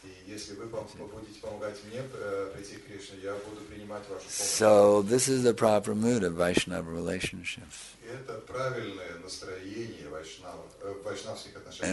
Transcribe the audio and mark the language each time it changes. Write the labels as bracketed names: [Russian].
[Russian] если вы будете помогать мне прийти к Кришне, я буду принимать вашу помощь. [English] So this is the proper mood of Vaishnava relationships. [Russian] Это правильное настроение вайшнавских отношений.